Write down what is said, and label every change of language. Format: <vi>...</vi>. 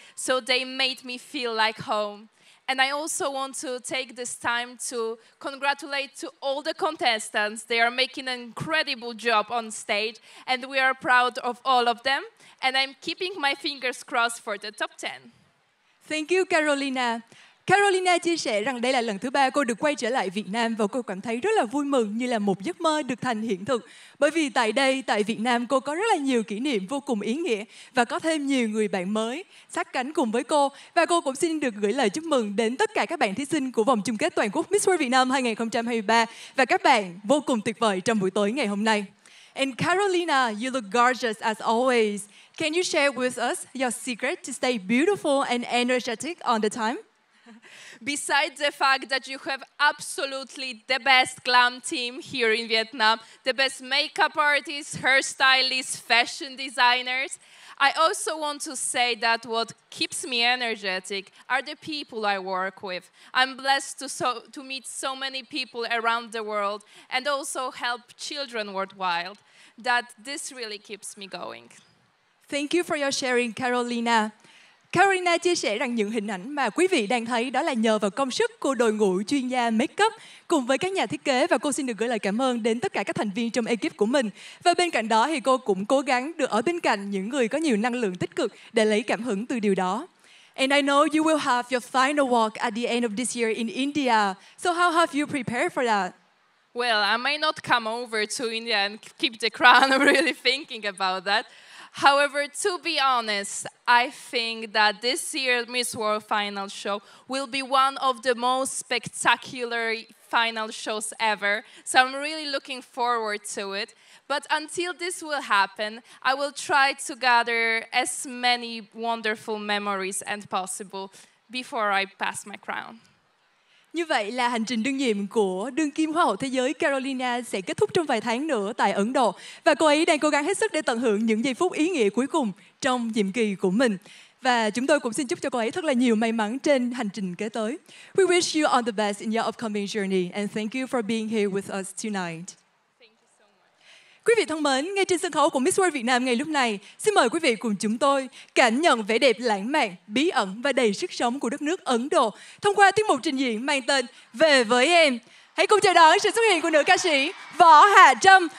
<en>So they made me feel like home. And I also want to take this time to congratulate to all the contestants. They are making an incredible job on stage and we are proud of all of them. And I'm keeping my fingers crossed for the top 10. Thank you, Carolina.</en> <vi>Carolina chia sẻ rằng đây là lần thứ 3 cô được quay trở lại Việt Nam và cô cảm thấy rất là vui mừng như là một giấc mơ được thành hiện thực. Bởi vì tại đây, tại Việt Nam, cô có rất là nhiều kỷ niệm vô cùng ý nghĩa và có thêm nhiều người bạn mới sát cánh cùng với cô. Và cô cũng xin được gửi lời chúc mừng đến tất cả các bạn thí sinh của vòng chung kết toàn quốc Miss World Việt Nam 2023 và các bạn vô cùng tuyệt vời trong buổi tối ngày hôm nay.</vi> <en>And Carolina, you look gorgeous as always. Can you share with us your secret to stay beautiful and energetic on the time? Besides the fact that you have absolutely the best glam team here in Vietnam, the best makeup artists, hairstylists, fashion designers, I also want to say that what keeps me energetic are the people I work with. I'm blessed to meet so many people around the world and also help children worldwide, that this really keeps me going. Thank you for your sharing, Carolina.</en> <vi>Carolina chia sẻ rằng những hình ảnh mà quý vị đang thấy đó là nhờ vào công sức của đội ngũ chuyên gia make up cùng với các nhà thiết kế và cô xin được gửi lời cảm ơn đến tất cả các thành viên trong ekip của mình. Và bên cạnh đó thì cô cũng cố gắng được ở bên cạnh những người có nhiều năng lượng tích cực để lấy cảm hứng từ điều đó.</vi> <en>And I know you will have your final walk at the end of this year in India. So how have you prepared for that? Well, I may not come over to India and keep the crown. I'm really thinking about that. However, to be honest, I think that this year's Miss World final show will be one of the most spectacular final shows ever. So I'm really looking forward to it. But until this will happen, I will try to gather as many wonderful memories as possible before I pass my crown.</en> <vi>Như vậy là hành trình đương nhiệm của đương kim Hoa hậu Thế giới Carolina sẽ kết thúc trong vài tháng nữa tại Ấn Độ. Và cô ấy đang cố gắng hết sức để tận hưởng những giây phút ý nghĩa cuối cùng trong nhiệm kỳ của mình. Và chúng tôi cũng xin chúc cho cô ấy thật là nhiều may mắn trên hành trình kế tới.</vi> <en>We wish you all the best in your upcoming journey and thank you for being here with us tonight.</en> <vi>Quý vị thân mến, ngay trên sân khấu của Miss World Việt Nam ngay lúc này, xin mời quý vị cùng chúng tôi cảm nhận vẻ đẹp lãng mạn, bí ẩn và đầy sức sống của đất nước Ấn Độ thông qua tiết mục trình diễn mang tên Về Với Em. Hãy cùng chờ đón sự xuất hiện của nữ ca sĩ Võ Hà Trâm.</vi>